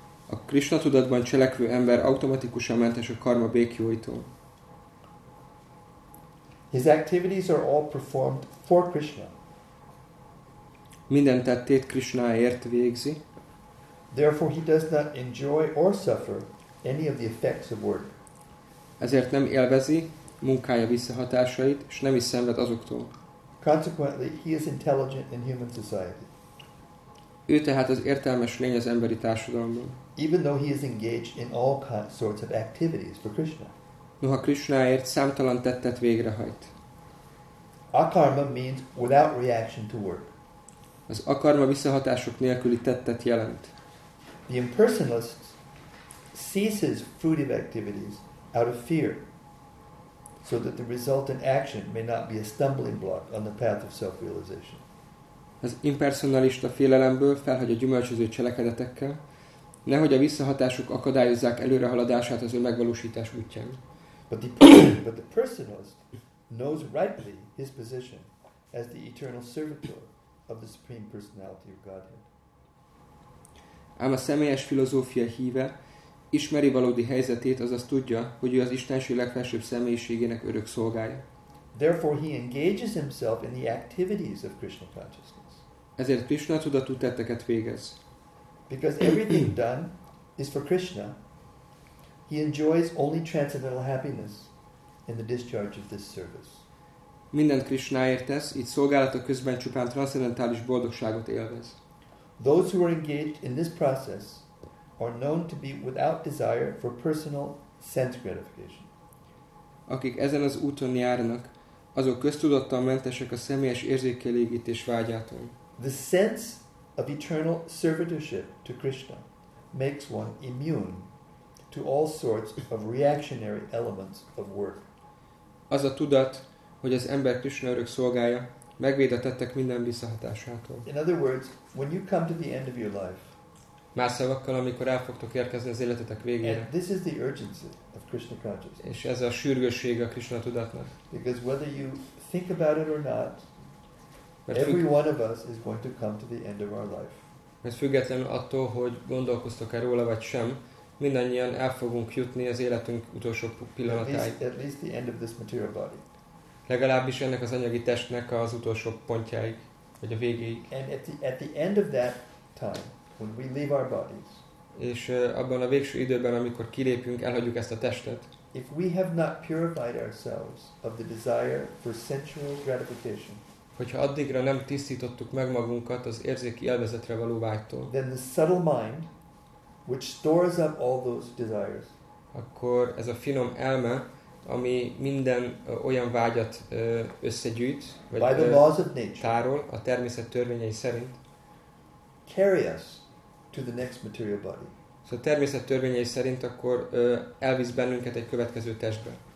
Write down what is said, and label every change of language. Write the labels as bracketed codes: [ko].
[hu] A Krishna tudatban cselekvő ember automatikusan mentes a karma békjóitól. [en] His activities are all performed for Krishna. [hu] Minden tettét Krishnáért végzi. [en] Therefore he does not enjoy or suffer any of the effects of work. [hu] Ezért nem élvezi munkája visszahatásait, és nem is szenved azoktól. [en] Consequently, he is intelligent in human society. [hu] Ő tehát az értelmes lény az emberi társadalomban. [en] Even though he is engaged in all sorts of activities for Krishna. [hu] Noha Krishnáért számtalan tettet végrehajt. [en] Akarma means without reaction to work. [hu] Az akarma visszahatások nélküli tettet jelent. [en] The impersonalist ceases fruitive activities out of fear, so that the resultant action may not be a stumbling block on the path of self-realization. [hu] Az impersonalista félelemből felhagy a gyümölcsöző cselekedetekkel, nehogy a visszahatások akadályozzák előrehaladását az önmegvalósítás útján. [en] But the personalist knows rightly his position as the eternal servitor of the Supreme Personality of Godhead. [hu] Ám a személyes filozófia híve ismeri valódi helyzetét, azaz tudja, hogy ő az Istenség legfelsőbb személyiségének örök szolgája. [en] Therefore he engages himself in the activities of Krishna consciousness. [hu] Ezért Krishna tudatú tetteket végez. [en] Because everything done is for Krishna, he enjoys only transcendental happiness in the discharge of this service. [hu] Minden Krishnáért tesz, így szolgálata közben csupán transzendentális boldogságot élvez. [en] Those who are engaged in this process are known to be without desire for personal sense gratification. [hu] Akik ezen az úton járnak, azok köztudottan mentesek a személyes érzékelégítés vágyától. [en] The sense of eternal servitorship to Krishna makes one immune to all sorts of reactionary elements of work. [hu] Az a tudat, hogy az ember Krishna örök szolgája, megvéd a tettek minden visszahatásától. [en] In other words, when you come to the end of your life, [hu] más szavakkal, amikor el fogtok érkezni az életetek végére, [en] and this is the urgency of Krishna consciousness. [hu] És ez a sürgősége a Krishna tudatnak. [en] Because whether you think about it or not, every one of us is going to come to the end of our life. [hu] Mert függetlenül attól, hogy gondolkoztok-e róla vagy sem, mindannyian el fogunk jutni az életünk utolsó pillanatáig. [en] At least the end of this material body. [hu] Legalábbis ennek az anyagi testnek az utolsó pontjáig, vagy a végéig. [en] And at the end of that time, when we leave our bodies. [hu] És abban a végső időben, amikor kilépünk, elhagyjuk ezt a testet. [en] If we have not purified ourselves of the desire for sensual gratification. [hu] Hogyha addigra nem tisztítottuk meg magunkat az érzéki élvezetre való vágytól, [en] then the subtle mind, which stores up all those desires, [hu] akkor ez a finom elme, ami minden olyan vágyat összegyűjt, vagy [en] by the laws of nature, [hu] tárol a természet törvényei szerint, [en] carry us to the next material body. [hu] Szóval természet törvényei szerint akkor elvisz bennünket egy következő testbe.